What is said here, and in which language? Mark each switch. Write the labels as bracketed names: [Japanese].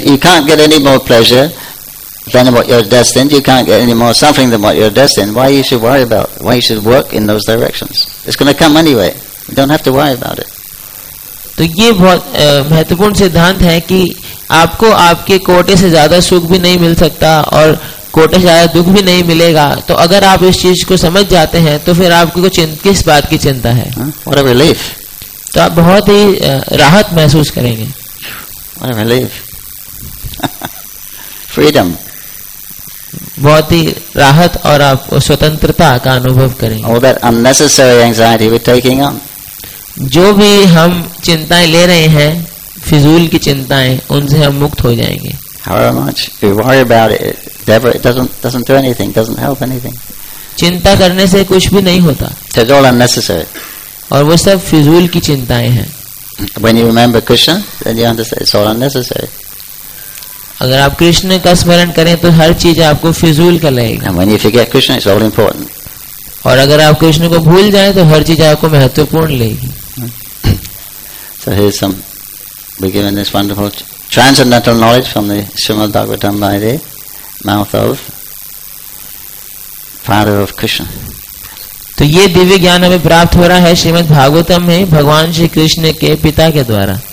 [English] You can't get any more pleasure than what you're destined. You can't get any more suffering than what you're destined. Why you should worry about? Why you should work in those directions? It's going to come anyway. You don't have to worry about it. [Hindi] तो ये बहुत महत्वपूर्ण सिद्धांत है कि आपको आपके कोटे से ज्यादा सुख भी नहीं मिल सकता और कोटे से ज्यादा दुख भी नहीं मिलेगा. तो अगर आप इस चीज को समझ जाते हैं तो फिर आपको किस बात की चिंता है. [English] What a relief. [Hindi] तो आप बहुत ही राहत महसूस करेंगे. [English] What a relief. Freedom. [Hindi] बहुत ही राहत और आप स्वतंत्रता का अनुभव करेंगे. [English] All that unnecessary anxiety we're taking on. [Hindi] जो भी हम चिंताएं ले रहे हैं फिजूल की चिंताएं उनसे हम मुक्त हो जाएंगे. [English] However much you worry about it doesn't do anything, doesn't help anything. [Hindi] चिंता करने से कुछ भी नहीं होता. [English] It's all unnecessary. [Hindi] और वो सब फिजूल की चिंताएं हैं. [English] When you remember Krishna, then you understand it's all unnecessary. [Hindi] अगर आप कृष्ण का स्मरण करें तो हर चीज आपको फिजूल का लगेगा. [English] And when you forget Krishna, it's all important. [Hindi] और अगर आप कृष्ण को भूल जाएं तो हर चीज आपको महत्वपूर्ण लगेगी. [English] So here's some, we're given this wonderful transcendental knowledge from the Srimad Bhagavatam by the mouth of father of Krishna. [Hindi] तो ये दिव्य ज्ञान हमें प्राप्त हो रहा है श्रीमद् भागवतम में भगवान श्री कृष्ण के पिता के द्वारा.